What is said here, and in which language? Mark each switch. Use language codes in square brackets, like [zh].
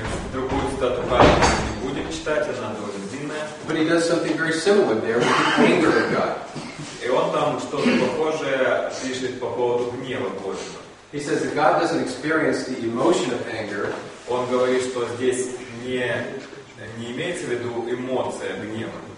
[ru] Другую цитату Кальвина не будем читать, она довольно длинная. [en] But he does something very similar there with the anger of God. [ru] И он там что-то похожее пишет по поводу гнева Божьего. [en] He says that God doesn't experience the emotion of anger. [ru] Он говорит, что здесь не имеется в виду эмоция гнева.